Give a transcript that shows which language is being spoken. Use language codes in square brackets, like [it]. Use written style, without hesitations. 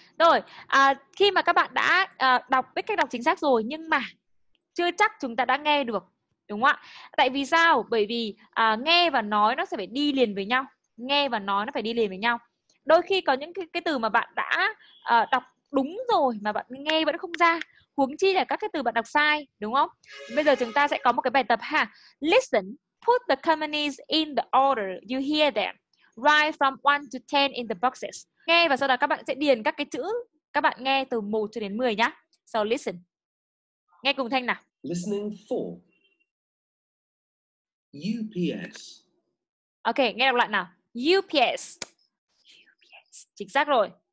[vi] Rồi, khi mà các bạn đã đọc biết cách đọc chính xác rồi, nhưng mà chưa chắc chúng ta đã nghe được, đúng không ạ? Tại vì sao? Bởi vì nghe và nói nó sẽ phải đi liền với nhau. Nghe và nói nó phải đi liền với nhau. Đôi khi có những cái từ mà bạn đã đọc đúng rồi mà bạn nghe vẫn không ra. Huống chi là các cái từ bạn đọc sai, đúng không? Bây giờ chúng ta sẽ có một cái bài tập ha. [en] Listen, put the companies in the order you hear them. Write from 1 to 10 in the boxes. [vi] Nghe và sau đó các bạn sẽ điền các cái chữ các bạn nghe từ 1 cho đến 10 nhá. [en] So listen. [vi] Nghe cùng Thanh nào. [en] Listening for UPS. [vi] Ok, nghe đọc lại nào. UPS. UPS. Chính xác rồi.